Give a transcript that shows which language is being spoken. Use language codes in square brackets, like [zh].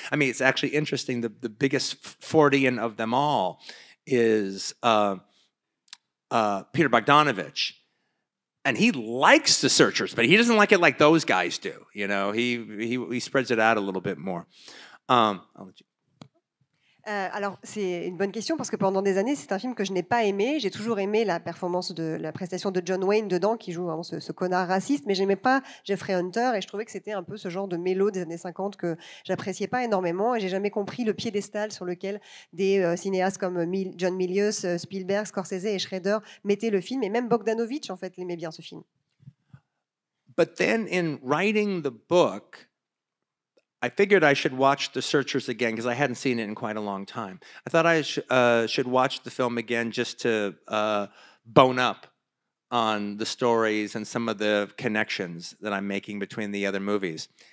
[en] I mean, it's actually interesting. The biggest Fordian of them all is Peter Bogdanovich. And he likes The Searchers, but he doesn't like it like those guys do. You know, he spreads it out a little bit more. I'll let you. [fr] Alors, c'est une bonne question, parce que pendant des années, c'est un film que je n'ai pas aimé. J'ai toujours aimé la performance de la prestation de John Wayne dedans, qui joue vraiment ce connard raciste, mais je n'aimais pas Jeffrey Hunter, et je trouvais que c'était un peu ce genre de mélo des années 50 que j'appréciais pas énormément, et j'ai jamais compris le piédestal sur lequel des cinéastes comme John Milius, Spielberg, Scorsese et Schrader mettaient le film, et même Bogdanovich, en fait, l'aimait bien ce film. [en] But then, in writing the book, I figured I should watch The Searchers again because I hadn't seen it in quite a long time. I thought I should watch the film again just to bone up on the stories and some of the connections that I'm making between the other movies.